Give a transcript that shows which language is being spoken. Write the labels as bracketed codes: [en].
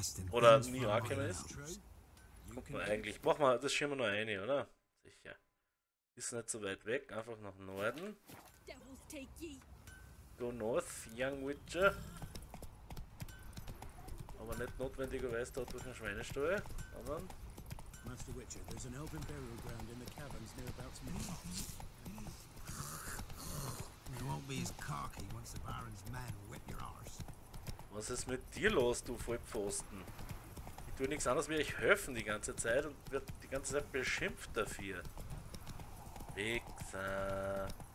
[de] Oder Mirakämmer ist. Guck mal, eigentlich, mach mal, das schieben wir noch eine, oder? Sicher. Ist nicht so weit weg, einfach nach Norden. [en] Go north, young Witcher. [de] Aber nicht notwendigerweise dort durch einen Schweinestall, sondern. [en] Master Witcher, there's an elven burial ground in the caverns near about to meet up. You won't be as cocky once the Baron's men whip your arse. [de] Was ist mit dir los, du Vollpfosten? Ich tue nichts anderes wie euch helfen die ganze Zeit und wird die ganze Zeit beschimpft dafür. Wichser.